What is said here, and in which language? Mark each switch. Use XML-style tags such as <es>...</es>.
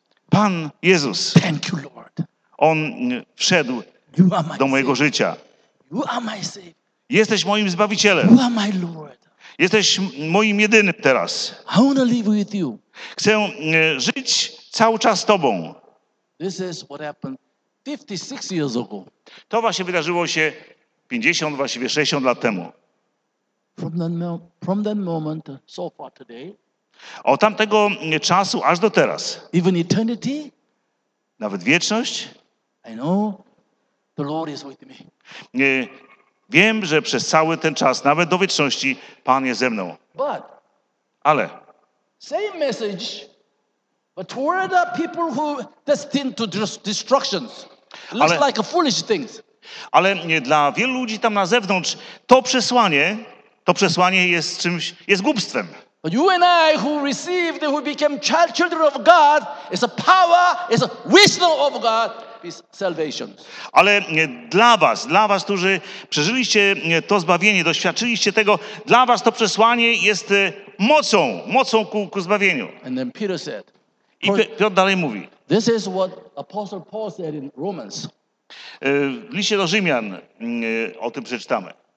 <pl>Pan Jezus.</pl> <en>Thank you, Lord.</en> <pl>On wszedł do mojego życia.</pl> <en>You are my savior.</en> <pl>Jesteś moim Zbawicielem.</pl> <en>You are my Lord.</en> <pl>Jesteś moim jedynym teraz.</pl> <en>I wanna live with you.</en> <pl>Chcę żyć cały czas z tobą.</pl> <en>This is what happened 56 years ago.</en> <pl>To właśnie wydarzyło się 50, właściwie 60 lat temu.</pl> <en>From that moment so far today.</en> <pl>Od tamtego czasu aż do teraz.</pl> <en>Even eternity.</en> <pl>Nawet wieczność.</pl> <en>I know the Lord is with me.</en> <pl>Wiem, że przez cały ten czas, nawet do wieczności, Pan jest ze mną.</pl> <en>But,</en> <pl>ale.</pl> <en>Same message, but toward the people who destined to destructions. Looks</en> <pl>ale,</pl> <en>like a foolish things.</en> <pl>Ale nie, dla wielu ludzi tam na zewnątrz to przesłanie jest czymś, jest głupstwem.</pl> <en>But you and I who received, who became children of God, is a power, is a wisdom of God.</en> <pl>Ale dla was, którzy przeżyliście to zbawienie, doświadczyliście tego, dla was to przesłanie jest mocą ku zbawieniu.</pl> <en>And then Peter said,</en> <pl>i Piotr dalej mówi.</pl> <en>This is what Apostle Paul said in Romans.</en> <pl>W liście do Rzymian o tym przeczytamy.</pl>